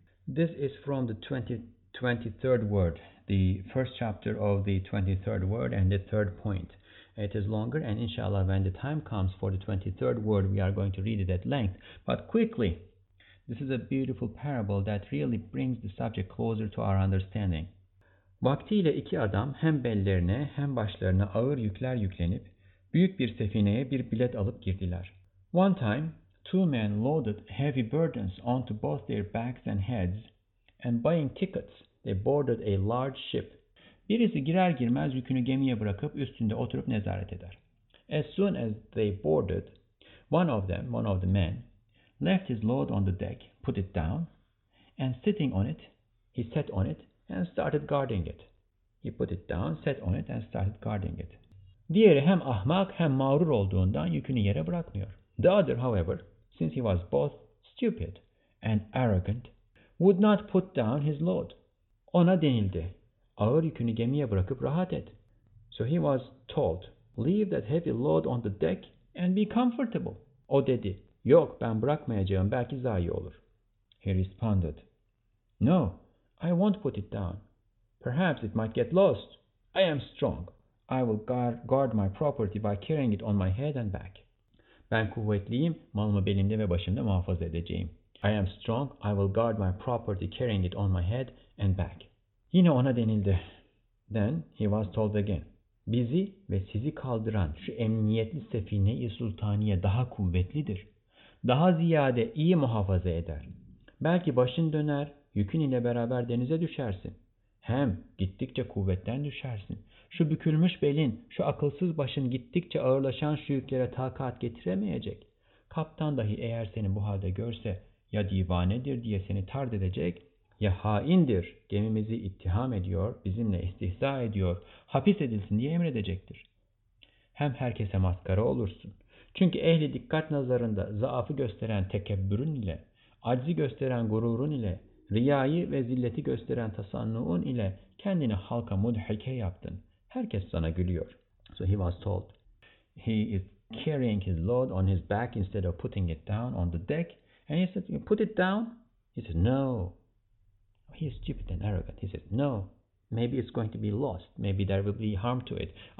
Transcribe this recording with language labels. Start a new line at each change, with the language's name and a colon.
English: This is from the 23rd word, the first chapter of the 23rd word and the third point. It is longer, and inshallah, when the time comes for the 23rd word, we are going to read it at length. But quickly, this is a beautiful parable that really brings the subject closer to our understanding.
Turkish: Vaktiyle iki adam hem bellerine hem başlarına ağır yükler yüklenip büyük bir sefineye bir bilet alıp girdiler.
English: One time, two men loaded heavy burdens onto both their backs and heads, and buying tickets, they boarded a large ship.
Turkish: Birisi girer girmez yükünü gemiye bırakıp üstünde oturup nezaret eder.
English: As soon as they boarded, one of the men, left his load on the deck, put it down, and sitting on it, he sat on it and started guarding it. He put it down, sat on it and started guarding it.
Turkish: Diğeri hem ahmak hem mağrur olduğundan yükünü yere bırakmıyor.
English: The other, however, since he was both stupid and arrogant, would not put down his load.
Turkish: Ona denildi, ağır yükünü gemiye bırakıp rahat et.
English: So he was told, leave that heavy load on the deck and be comfortable.
Turkish: O dedi, yok ben bırakmayacağım, belki zayi olur.
English: He responded, no, I won't put it down. Perhaps it might get lost. I am strong. I will guard my property by carrying it on my head and back.
Turkish: Ben kuvvetliyim, malımı belimde ve başımda muhafaza edeceğim.
English: I am strong, I will guard my property carrying it on my head and back.
Turkish: Yine ona denildi.
English: Then he was told again.
Turkish: Bizi ve sizi kaldıran şu emniyetli sefine-i sultaniye daha kuvvetlidir. Daha ziyade iyi muhafaza eder. Belki başın döner, yükün ile beraber denize düşersin. Hem gittikçe kuvvetten düşersin. Şu bükülmüş belin, şu akılsız başın gittikçe ağırlaşan şu yüklere takat getiremeyecek. Kaptan dahi eğer seni bu halde görse, ya divanedir diye seni tard edecek, ya haindir, gemimizi ittiham ediyor, bizimle istihza ediyor, hapis edilsin diye emredecektir. Hem herkese maskara olursun. Çünkü ehli dikkat nazarında zaafı gösteren tekebbürün ile, aczi gösteren gururun ile, riyayı ve zilleti gösteren tasannuun ile kendini halka mudhike yaptın. Herkes sana gülüyor.
English: So he was told. He is carrying his load on his back instead of putting it down on the deck. And he said, put it down. He said, no. He is stupid and arrogant. He said, no. Maybe it's going to be lost. Maybe there will be harm to it.